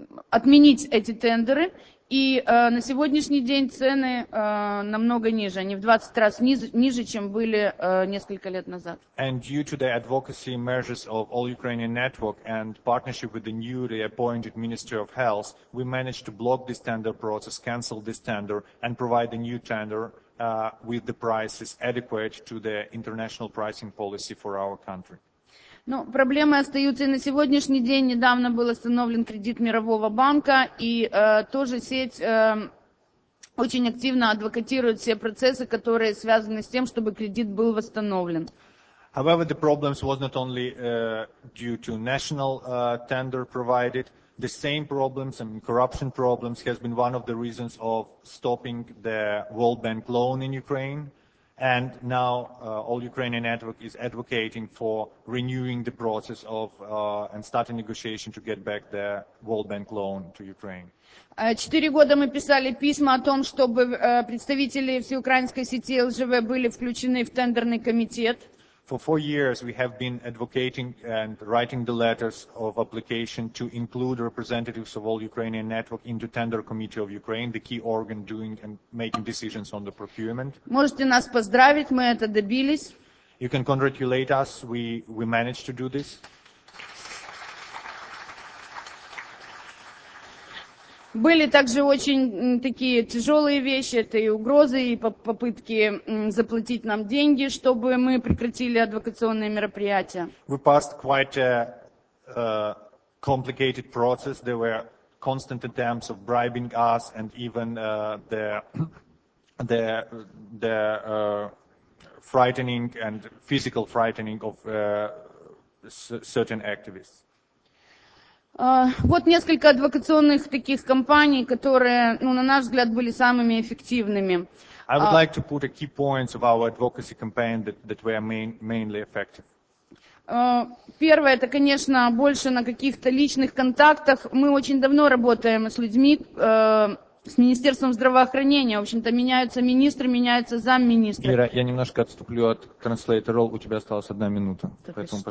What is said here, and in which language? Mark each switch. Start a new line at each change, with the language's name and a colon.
Russian: отменить эти тендеры. И на сегодняшний день цены намного ниже, они в 20 раз ниже, чем были несколько лет назад.
English: And due to the advocacy measures of All Ukrainian Network and partnership with the newly appointed Ministry of Health, we managed to block this tender process, cancel this tender, and provide a new tender with the prices adequate to the international pricing policy for our country.
Russian: Ну, проблемы остаются и на сегодняшний день. Недавно был остановлен кредит Мирового банка, и тоже сеть очень активно адвокатирует все процессы, которые связаны с тем, чтобы кредит был восстановлен.
English: However, the problems was not only due to national tender provided. The same problems and corruption problems has been one of the reasons of stopping the World Bank loan in Ukraine. And now All Ukrainian Network is advocating for renewing the process of and starting negotiation to get back the World Bank loan to Ukraine.
Russian: 4 года мы писали письма о том, чтобы представители всеукраинской сети ЛЖВ были включены в тендерный комитет.
English: For 4 years we have been advocating and writing the letters of application to include representatives of All Ukrainian Network into Tender Committee of Ukraine, the key organ doing and making decisions on the procurement.
Russian: Можете нас поздравить, мы это добились.
English: You can congratulate us, we managed to do this.
Russian: Были также очень такие тяжелые вещи, это и угрозы, и попытки заплатить нам деньги, чтобы мы прекратили адвокационные мероприятия.
English: We passed quite a complicated process. There were constant attempts of bribing us and even the frightening and physical frightening of certain activists.
Russian: Вот несколько адвокационных таких компаний, которые, ну, на наш взгляд, были самыми эффективными.
English: I would like to put a key points of our advocacy campaign that were mainly effective.
Russian: Первое, это, конечно, больше на каких-то личных контактах. Мы очень давно работаем с людьми, с Министерством здравоохранения. В общем-то, меняются министры, меняются замминистры. Ира, я немножко отступлю от
English: translator role.
Russian: У тебя осталась 1 минута. Так поэтому, что?